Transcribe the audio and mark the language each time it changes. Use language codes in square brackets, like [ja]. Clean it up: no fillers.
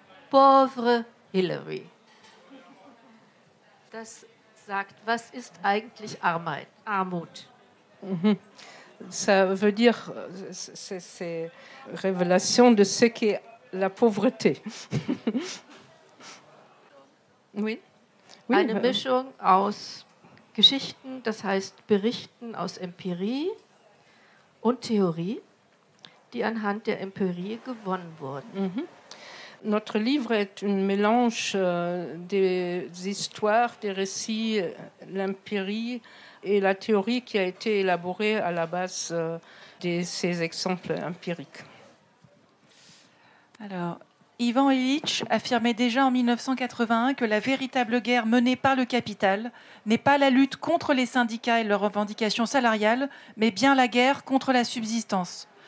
[fr] Pauvre Hillary. [de] Das sagt, was ist eigentlich Arbeit? Armut. [fr] Ça veut dire c'est révélation de ce qu'est la pauvreté. Oui. Oui. [de] Eine Mischung aus Geschichten, das heißt Berichten aus Empirie und Theorie, die anhand der Empirie gewonnen wurden. Mm-hmm. [fr] Notre livre est un mélange des histoires, des récits, l'empirie et la théorie qui a été élaborée à la base de ces exemples empiriques. Alors, Ivan Illich affirmait déjà en 1981 que la véritable guerre menée par le capital n'est pas la lutte contre les syndicats et leurs revendications salariales, mais bien la guerre contre la subsistance.